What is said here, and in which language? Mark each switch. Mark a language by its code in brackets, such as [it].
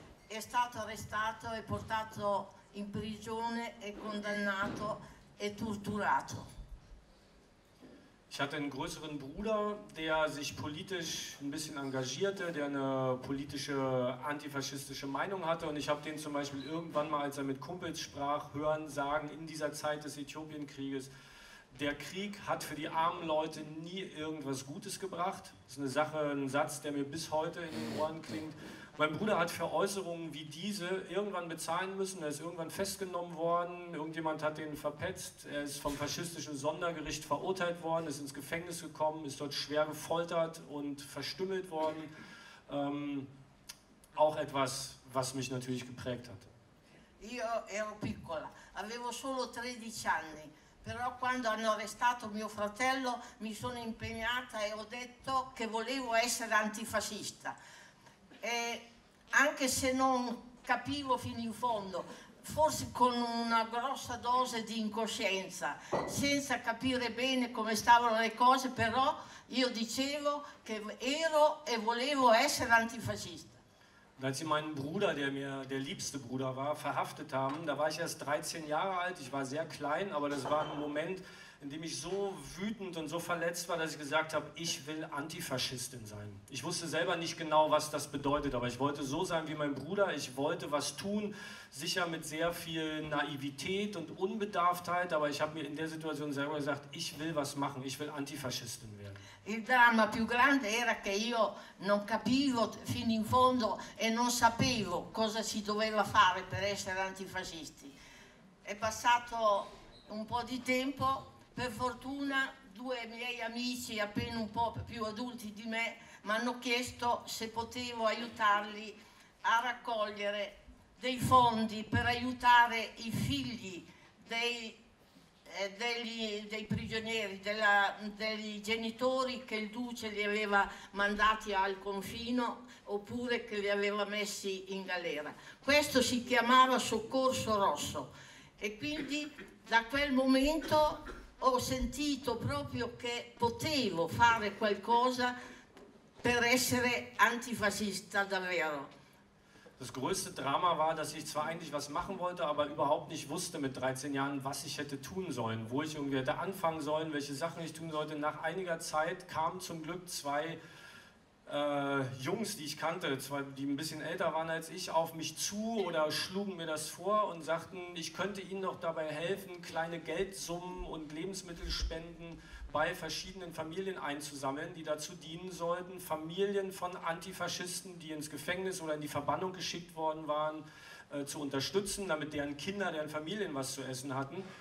[it] È stato arrestato e portato in prigione e condannato e torturato. [de] Ich hatte einen größeren Bruder, der sich politisch ein bisschen engagierte, der eine politische antifaschistische Meinung hatte. Und ich habe den zum Beispiel irgendwann mal, als er mit Kumpels sprach, hören sagen, in dieser Zeit des Äthiopienkrieges, der Krieg hat für die armen Leute nie irgendwas Gutes gebracht. Das ist eine Sache, ein Satz, der mir bis heute in den Ohren klingt. Mein Bruder hat für Äußerungen wie diese irgendwann bezahlen müssen. Er ist irgendwann festgenommen worden. Irgendjemand hat ihn verpetzt. Er ist vom faschistischen Sondergericht verurteilt worden, ist ins Gefängnis gekommen, ist dort schwer gefoltert und verstümmelt worden. Auch etwas, was mich natürlich geprägt hat. [it] Io ero piccola, avevo solo 13 anni. Però quando hanno arrestato mio fratello, mi sono impegnata e ho detto che volevo essere antifascista. E anche se non capivo fino in fondo, forse con una grossa dose di incoscienza, senza capire bene come stavano le cose, però io dicevo che ero e volevo essere antifascista. [de] Und als sie meinen Bruder, der mir der liebste Bruder war, verhaftet haben, da war ich erst 13 Jahre alt, ich war sehr klein, aber das war ein Moment, in dem ich so wütend und so verletzt war, dass ich gesagt habe, ich will Antifaschistin sein. Ich wusste selber nicht genau, was das bedeutet, aber ich wollte so sein wie mein Bruder, ich wollte was tun, sicher mit sehr viel Naivität und Unbedarftheit, aber ich habe mir in der Situation selber gesagt, ich will was machen, ich will Antifaschistin werden. [it] Il dramma più grande era che io non capivo fino in fondo e non sapevo cosa si doveva fare per essere antifascisti. È passato un po' di tempo, per fortuna due miei amici, appena un po' più adulti di me, mi hanno chiesto se potevo aiutarli a raccogliere dei fondi per aiutare i figli dei prigionieri, dei genitori che il Duce li aveva mandati al confino oppure che li aveva messi in galera. Questo si chiamava Soccorso Rosso e quindi da quel momento ho sentito proprio che potevo fare qualcosa per essere antifascista davvero. [de] Das größte Drama war, dass ich zwar eigentlich was machen wollte, aber überhaupt nicht wusste mit 13 Jahren, was ich hätte tun sollen, wo ich irgendwie hätte anfangen sollen, welche Sachen ich tun sollte. Nach einiger Zeit kamen zum Glück zwei Jungs, die ich kannte, die ein bisschen älter waren als ich, auf mich zu oder schlugen mir das vor und sagten, ich könnte ihnen noch dabei helfen, kleine Geldsummen und Lebensmittelspenden bei verschiedenen Familien einzusammeln, die dazu dienen sollten, Familien von Antifaschisten, die ins Gefängnis oder in die Verbannung geschickt worden waren, zu unterstützen, damit deren Kinder, deren Familien was zu essen hatten.